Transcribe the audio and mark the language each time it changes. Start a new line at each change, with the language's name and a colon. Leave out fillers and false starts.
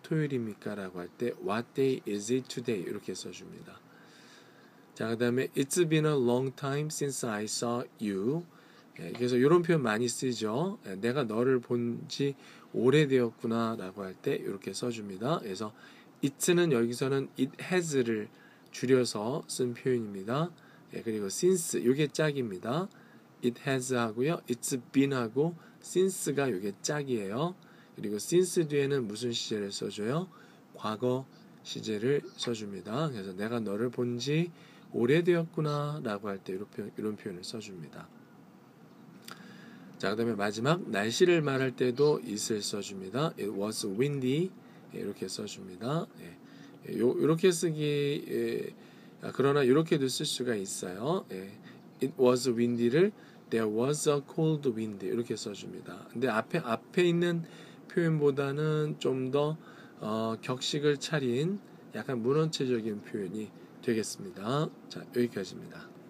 Korean: 토요일입니까? 라고 할 때
English: What day is it today?
Korean: 이렇게 써줍니다. 자, 그 다음에
English: It's been a long time since I saw you.
Korean: 예, 그래서 이런 표현 많이 쓰죠. 예, 내가 너를 본 지 오래되었구나 라고 할 때 이렇게 써줍니다. 그래서 It's는 여기서는 It has를 줄여서 쓴 표현입니다. 예, 그리고 since 이게 짝입니다. It has 하고요. It's been 하고 since가 이게 짝이에요. 그리고 since 뒤에는 무슨 시제를 써줘요? 과거 시제를 써줍니다. 그래서 내가 너를 본 지 오래되었구나 라고 할 때 이런 표현을 써줍니다. 자, 그 다음에 마지막 날씨를 말할 때도 it을 써줍니다.
English: It was windy.
Korean: 예, 이렇게 써줍니다. 예, 이렇게 쓰기 예, 그러나 이렇게도 쓸 수가 있어요.
English: 예, it was windy를 there was a cold wind
Korean: 이렇게 써줍니다. 근데 앞에 있는 표현보다는 좀 더 격식을 차린 약간 문헌체적인 표현이 되겠습니다. 자, 여기까지입니다.